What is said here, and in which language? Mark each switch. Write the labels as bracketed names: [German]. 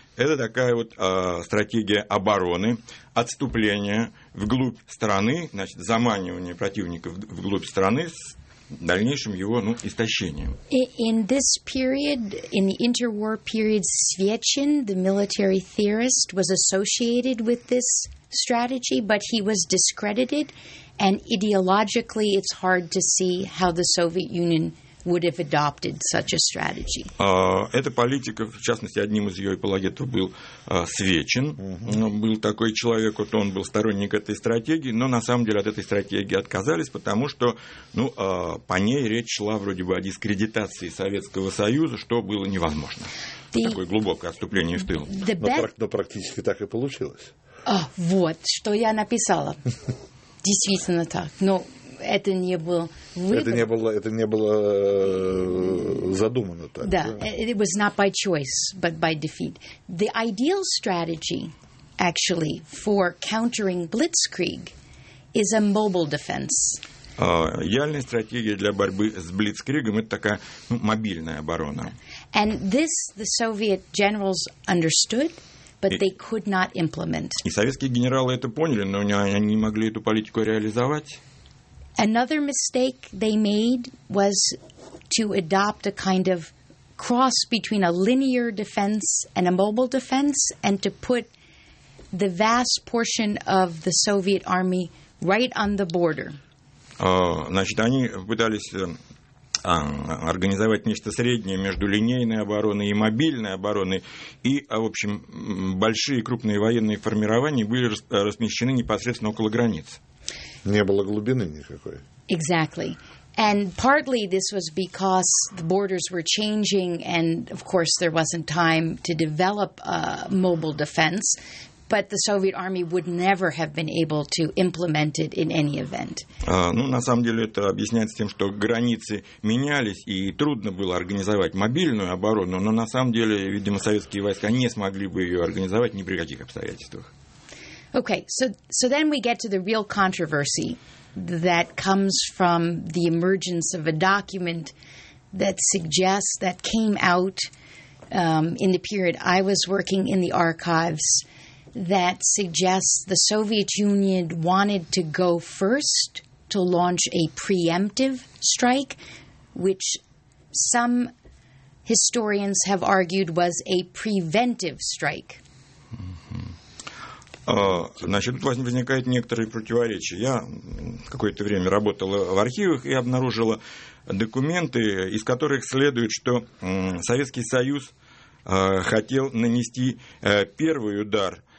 [Russian] Это такая вот стратегия обороны, отступления вглубь страны, значит, заманивание противников вглубь страны с дальнейшим его истощением. [English] In this period, in the interwar period, Svechin, the military theorist, was associated with this strategy, but he was discredited, and ideologically it's hard to see how the Soviet Union would have adopted such a strategy. [Russian] Эта политика, в частности, одним из ее апологетов был Свечин. Mm-hmm. Был такой человек, вот он был сторонник этой стратегии, но на самом деле от этой стратегии отказались, потому что по ней речь шла вроде бы о дискредитации Советского Союза, что было невозможно. Такое глубокое отступление в тыл. Но практически так и получилось. Вот, что я написала. Действительно так. Но это не был выбор. Это не было задумано так. [English] Да, it was not by choice, but by defeat. The ideal strategy, actually, for countering Blitzkrieg is a mobile defense. [Russian] Идеальная стратегия для борьбы с Блицкригом – это такая мобильная оборона. [English] And this the Soviet generals understood. But they could not implement. [Russian] И советские генералы это поняли, но они не могли эту политику реализовать. [English] Another mistake they made was to adopt a kind of cross between a linear defense and a mobile defense, and to put the vast portion of the Soviet army right on the border. [Russian] Они пытались организовать нечто среднее между линейной обороной и мобильной обороной. И, в общем, большие крупные военные формирования были размещены непосредственно около границ. Не было глубины никакой. [English] Exactly. And partly this was because the borders were changing, and, of course, there wasn't time to develop a mobile defense. But the Soviet army would never have been able to implement it in any event. [Russian] На самом деле это объясняется тем, что границы менялись, и трудно было организовать мобильную оборону, но на самом деле, видимо, советские войска не смогли бы ее организовать ни при каких обстоятельствах. [English] Okay, so then we get to the real controversy that comes from the emergence of a document that suggests, that came out in the period I was working in the archives, that suggests the Soviet Union wanted to go first to launch a preemptive strike, which some historians have argued was a preventive strike. [Russian] Тут возникает некоторые противоречия. Я какое-то время работала в архивах и обнаружила документы, из которых следует, что Советский Союз хотел нанести первый удар.